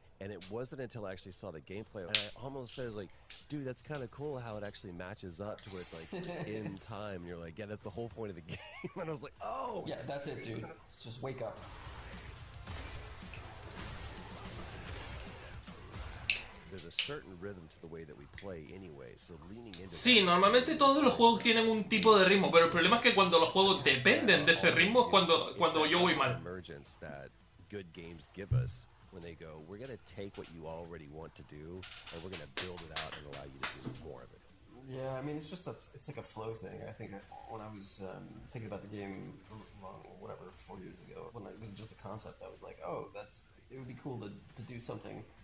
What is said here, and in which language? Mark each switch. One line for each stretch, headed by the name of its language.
English: And it wasn't until I actually saw the gameplay, and I almost said, like, dude, that's kind of cool how it actually matches up to where it's like in time. And you're like, yeah, that's the whole point of the game. And I was like, oh. Yeah, that's it, dude. Let's just wake up. There's a certain rhythm to the way that we play anyway, so leaning into
Spanish: sí, normalmente todos los juegos tienen un tipo de ritmo, pero el problema es que cuando los juegos dependen de ese ritmo es cuando yo voy mal.
English: Emergence that good games give us when they go, we're going to take what you already want to do and we're going to build it out and allow you to do more of it. Yeah, I mean, it's just it's like a flow thing. I think when I was thinking about the game long, whatever, 4 years ago, when it was just a concept, I was like, oh, that's it would be cool to do something.